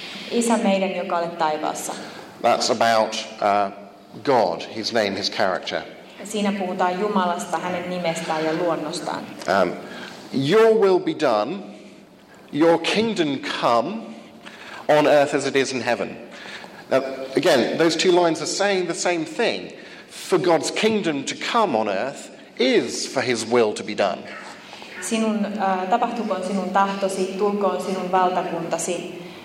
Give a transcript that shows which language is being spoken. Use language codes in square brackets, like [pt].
[fi] Isä meidän, joka olet taivaassa. [en] That's about God, his name, his character. [fi] Siinä puhutaan Jumalasta, hänen nimestään ja luonnostaan. [en] Your will be done, your kingdom come, on earth as it is in heaven. Now, again, those two lines are saying the same thing. For God's kingdom to come on earth is for his will to be done. [fi] Sinun tapahtukoon sinun tahtosi, tulkoon sinun valtakuntasi.